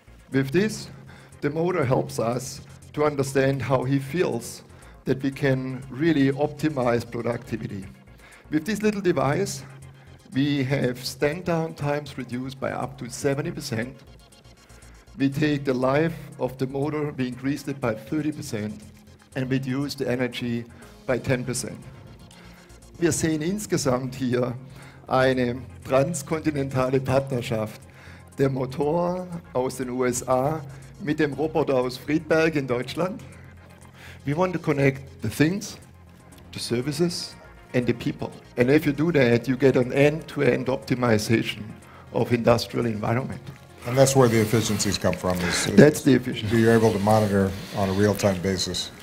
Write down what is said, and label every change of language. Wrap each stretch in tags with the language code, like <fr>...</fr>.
<en>With this, the motor helps us to understand how he feels that we can really optimize productivity. With this little device, we have stand down times reduced by up to 70%. We take the life of the motor, we increase it by 30%, and reduce the energy by 10%. We are seeing</en> <de>insgesamt</de> <en>here</en> <de>eine transkontinentale Partnerschaft. Der Motor aus den USA mit dem Roboter aus Friedberg in Deutschland.</de> <en>We want to connect the things, the services, and the people. And if you do that, you get an end-to-end optimization of industrial environment. And that's where the efficiencies come from. That's the efficiency. You're able to monitor on a real-time basis.</en>